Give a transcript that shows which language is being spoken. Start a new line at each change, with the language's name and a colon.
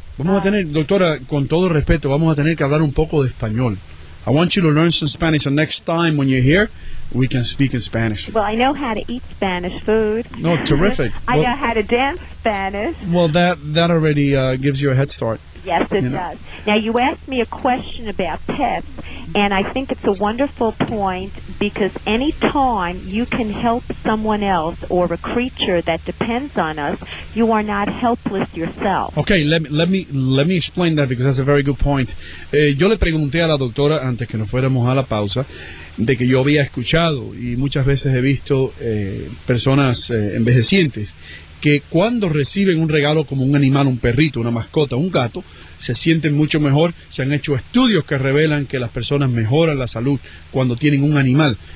Spanish: Vamos a tener, doctora, con todo respeto, vamos a tener que hablar un poco de español.
English: I want you to learn some Spanish, so next time when you're here, we can speak in Spanish. Well, I know how to eat Spanish food. No, terrific. I know how to dance Spanish. Well, that already gives you a head start. Yes, it does. Now, you asked me a question about pets, and I think it's a wonderful point, because any time you can help someone else or a creature that depends on us, you are not helpless yourself. Okay, let me explain that, because that's a very good point.
Spanish: Yo le pregunté a la doctora, antes que nos fuéramos a la pausa, de que yo había escuchado, y muchas veces he visto personas envejecientes, que cuando reciben un regalo como un animal, un perrito, una mascota, un gato, se sienten mucho mejor. Se han hecho estudios que revelan que las personas mejoran la salud cuando tienen un animal.